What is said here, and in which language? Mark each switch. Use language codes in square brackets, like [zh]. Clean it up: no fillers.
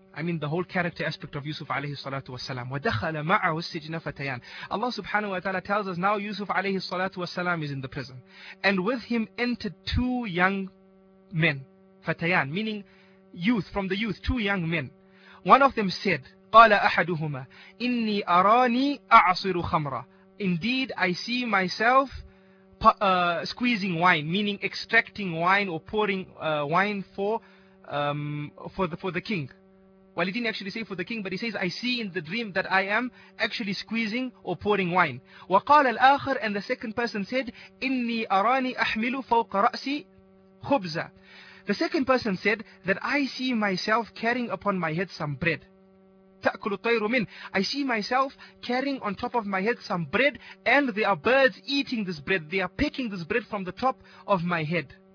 [en] I mean the whole character aspect of Yusuf alayhi salatu wasalam. [ar] ودخل معه السجن فتيان. [en] Allah subhanahu wa ta'ala tells us now Yusuf alayhi salatu wasalam is in the prison. And with him entered two young men. فتيان meaning youth, from the youth, two young men. One of them said, [ar] قال أحدهما إني أراني أعصر خمرا. [en] Indeed, I see myself squeezing wine, meaning extracting wine or pouring wine for the king. Well, he didn't actually say for the king, but he says, I see in the dream that I am actually squeezing or pouring wine. [ar] وقال الآخر, [en] and the second person said, [ar] إني أراني أحمل فوق رأسي خبزة. [en] The second person said that I see myself carrying upon my head some bread. [ar] تأكل الطير من. [en] I see myself carrying on top of my head some bread, and there are birds eating this bread. They are picking this bread from the top of my head.